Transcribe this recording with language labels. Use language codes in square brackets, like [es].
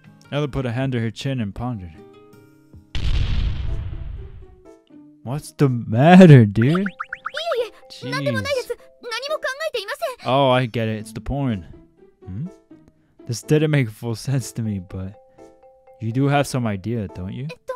[en] Ella put a hand to her chin and pondered. What's the matter, dear? [ja] いえいえ、何でもないです。何も考えていません。 [en] Oh, I get it. It's the porn. Hmm? This didn't make full sense to me, but you do have some idea, don't you?